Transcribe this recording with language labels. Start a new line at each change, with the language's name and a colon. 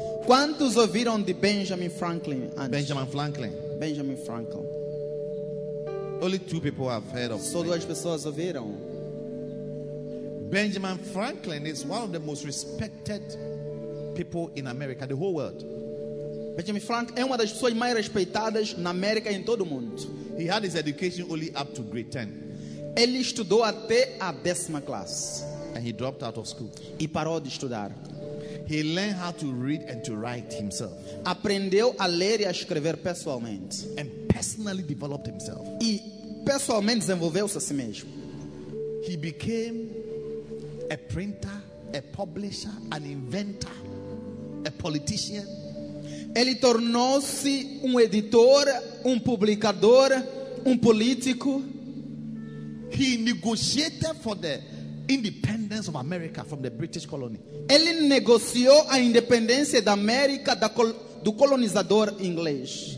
Portuguese: Quantos ouviram de Benjamin Franklin antes?
English: Benjamin Franklin. Only two people have heard of.
Portuguese: Só duas pessoas ouviram.
English: Benjamin Franklin is one of the most respected people in America, the whole world.
Portuguese: Benjamin Franklin é uma das pessoas mais respeitadas na América e em todo o mundo.
English: He had his education only up to grade 10.
Portuguese: Ele estudou até a décima classe.
English: And he dropped out of school.
Portuguese: E parou de estudar.
English: He learned how to read and to write himself.
Portuguese: Aprendeu a ler e a escrever pessoalmente.
English: And personally developed himself.
Portuguese: E pessoalmente desenvolveu-se a si mesmo.
English: He became a printer, a publisher, an inventor, a politician.
Portuguese: Ele tornou-se editor, publicador, político.
English: He negotiated for the independence of America from the British colony.
Portuguese: Ele negociou a independência da América do colonizador inglês.